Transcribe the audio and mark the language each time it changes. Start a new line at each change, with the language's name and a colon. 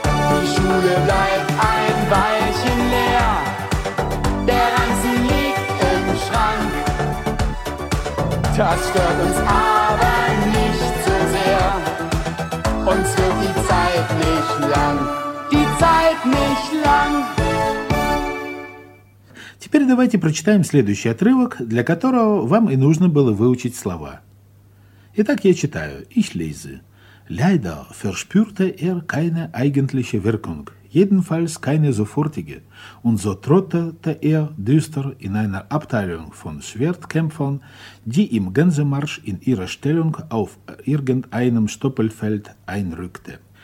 German: Die Schule bleibt ein Weilchen leer, der Ranzen liegt im Schrank. Das stört uns aber nicht so sehr, uns wird die Zeit nicht lang, die Zeit nicht lang.
Russian: Теперь давайте прочитаем следующий отрывок, для которого вам и нужно было выучить слова. Итак, я читаю.
German: Ich lese. Leider verspürte keine eigentliche Wirkung. jedenfalls keine sofortige, und so trottete er düster in einer Abteilung von Schwertkämpfern, die im Gänsemarsch in ihre Stellung auf irgendeinem Stoppelfeld einrückte.